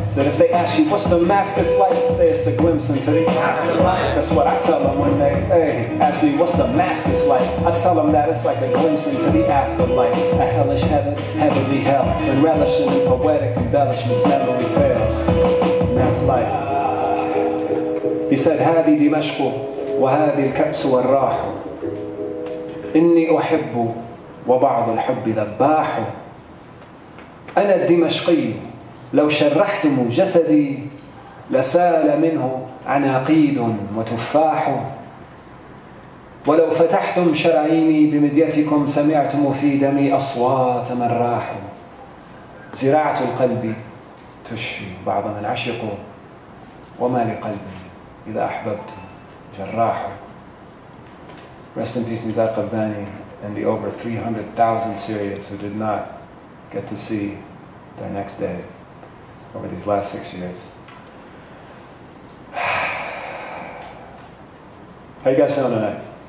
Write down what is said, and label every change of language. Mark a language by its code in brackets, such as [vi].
[en] So if they ask you what's Damascus like, say it's a glimpse into the afterlife. That's what I tell them when they, hey, ask me what's Damascus like. I tell them that it's like a glimpse into the afterlife. A hellish heaven, heavenly hell, and relishing in poetic embellishments, memory fails. And that's life. He said, [ar] هذه دمشق وهذه الكأس والراح إني أحب وبعض الحب ذباح أنا الدمشقي لو شرحتم جسدي لسال منه عناقيد وتفاح ولو فتحتم شراعيني بمديتكم سمعتم في دمي أصوات من راح زراعة القلب تشفي بعض من عشق وما لقلبي إذا أحببت جراح. [en] Rest in peace, Nizar Qabbani, and the over 300,000 Syrians who did not get to see their next day over these last 6 years. How are you guys feeling tonight?